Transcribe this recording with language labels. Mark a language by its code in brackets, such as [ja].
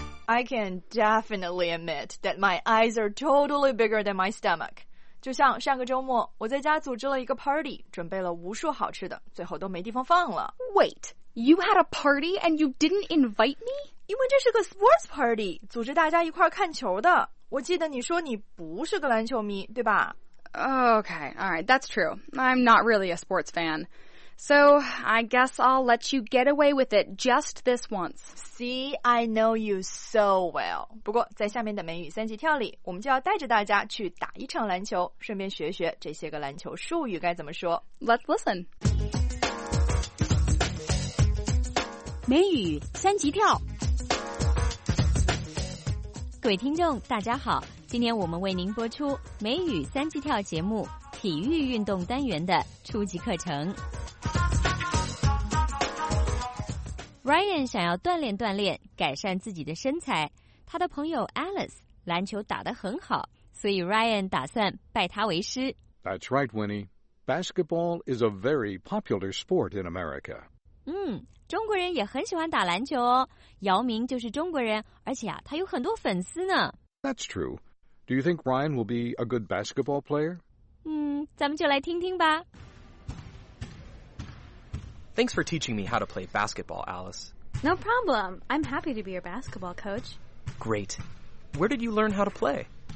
[en] I can definitely admit that my eyes are totally bigger than my stomach. [zh] 就像上个周末我在家组织了一个 party, 准备了无数好吃的最后都没地方放了。 [en] Wait, you had a party and you didn't invite me? [zh] 因为这是个 sports party, 组织大家一块看球的。我记得你说你不是个篮球迷对吧 [en] Okay, alright, that's true. I'm not really a sports fan. So, I guess I'll let you get away with it just this once. See, I know you so well. [zh] 不过在下面的美语三级跳里我们就要带着大家去打一场篮球顺便学学这些个篮球术语该怎么说。 [en] Let's listen. [zh] 美语三级跳。各位听众大家好今天我们为您播出美语三级跳节目体育运动单元的初级课程。 Ryan 想要锻炼锻炼，改善自己的身材。他的朋友 Alice 篮球打得很好，所以 Ryan 打算拜他为师。 [en] That's right, Winnie. Basketball is a very popular sport in America. [zh] 嗯，中国人也很喜欢打篮球哦。姚明就是中国人，而且啊，他有很多粉丝呢。 [en] That's true. Do you think Ryan will be a good basketball player? [zh] 嗯，咱们就来听听吧。 [en] Thanks for teaching me how to play basketball, Alice. No problem. I'm happy to be your basketball coach. Great. Where did you learn how to play?